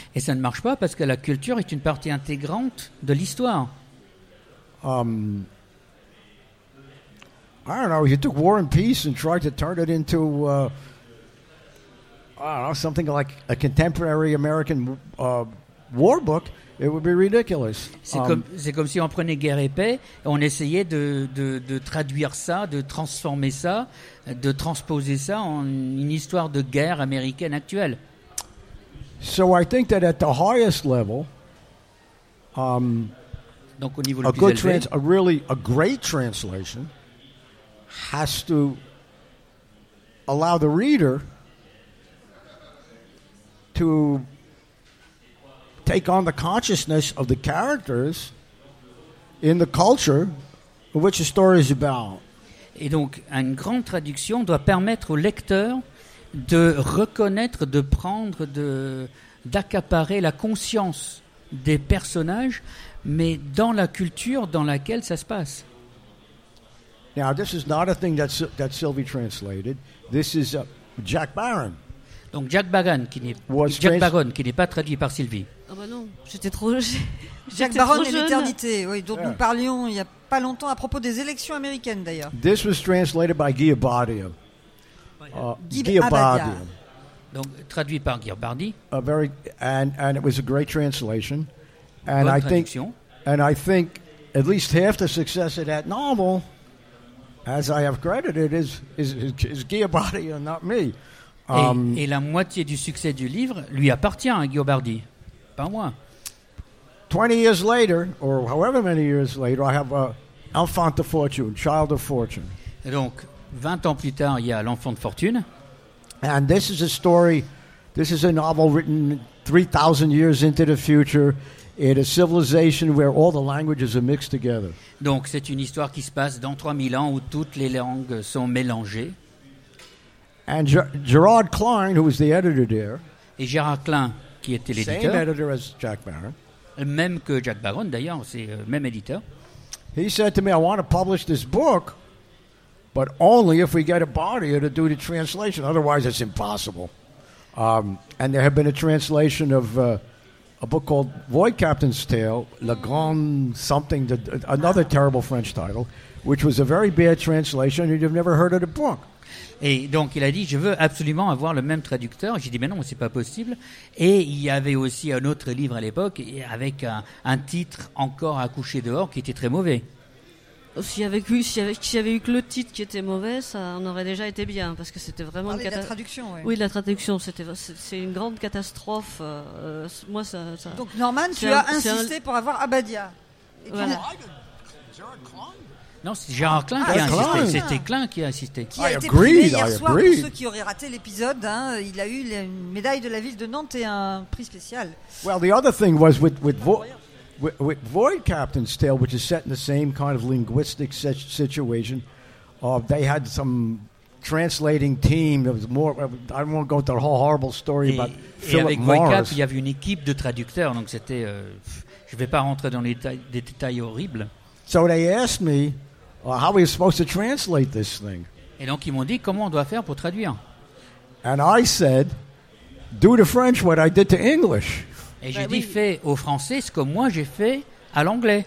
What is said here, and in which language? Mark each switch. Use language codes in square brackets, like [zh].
[fr] Et ça ne marche pas parce que la culture est une partie intégrante de l'histoire. [en] I don't know. You took War and Peace and tried to turn it into something like a contemporary American war book. It would be ridiculous. [fr] C'est comme si on prenait Guerre et Paix et on essayait de traduire ça, de transformer ça, de transposer ça en une histoire de guerre américaine actuelle. [en] So I think that at the highest level, [fr] donc au niveau le plus élevé, [en] a great translation has to allow the reader to take on the consciousness of the characters in the culture of which the story is about. [fr] Et donc, une grande traduction doit permettre au lecteur de reconnaître, de prendre, d'accaparer la conscience des personnages, mais dans la culture dans laquelle ça se passe. [en] Now, this is not a thing that Sylvie translated. This is Jack Baron. [fr] Donc Jack Baron qui n'est pas traduit par Sylvie. Ah bah non, j'étais trop jeune. Jack Baron et l'éternité, oui, dont nous parlions il n'y a pas longtemps à propos des élections américaines d'ailleurs. [en] This was translated by Guy Abadia. Guy Abadia. [fr] Donc traduit par Guirbardi. [en] And it was a great translation. [fr] And bonne traduction. [en] I think at least half the success of that novel, as I have credited, is Guirbardi and not me. [fr] Et la moitié du succès du livre lui appartient à Guirbardi, pas moi. [en] 20 years later, or however many years later, I have Enfant de Fortune, Child of Fortune. [fr] Et donc 20 ans plus tard, il y a L'Enfant de Fortune. [en] And this is a story, this is a novel written 3,000 years into the future in a civilization where all the languages are mixed together. [fr] Donc c'est une histoire qui se passe dans 3000 ans où toutes les langues sont mélangées. [en] And Gerard Klein, who was the editor there. [fr] Et Gerard Klein qui était l'éditeur. [en] Same editor as Jack Baron. [fr] Même que Jack Baron d'ailleurs, c'est le même éditeur. [en] He said to me, I want to publish this book, but only if we get a body to do the translation. Otherwise, it's impossible. And there had been a translation of a book called Void Captain's Tale, Le Grand something, another terrible French title, which was a very bad translation, and you've never heard of the book. [fr] Et donc, il a dit, je veux absolument avoir le même traducteur. J'ai dit, mais non, ce n'est pas possible. Et il y avait aussi un autre livre à l'époque avec un titre encore à coucher dehors qui était très mauvais. S'il y avait eu que le titre qui était mauvais, ça en aurait déjà été bien. Parce que c'était vraiment... Ah, la traduction, oui. Oui, la traduction, c'est une grande catastrophe. Moi, ça... Donc, Norman, tu as insisté pour avoir Abadia. Voilà. Non, c'est Gérard Klein qui a insisté. C'était Klein qui a insisté. Qui a été primé hier soir, pour ceux qui auraient raté l'épisode. Hein, il a eu une médaille de la ville de Nantes et un prix spécial. [en] Well, the other thing was with Void Captain's Tale, which is set in the same kind of linguistic situation, they had some translating team. It was more. I don't want to go into the whole horrible story about Philip Morris. [fr] Et avec Void Cap, il y avait une équipe de traducteurs. Donc c'était. Je ne vais pas rentrer dans des détails horribles. [en] So they asked me, how are we supposed to translate this thing? [fr] Et donc ils m'ont dit, comment on doit faire pour traduire? [en] And I said, do to French what I did to English. [fr] Et j'ai dit, fais au français ce que moi j'ai fait à l'anglais.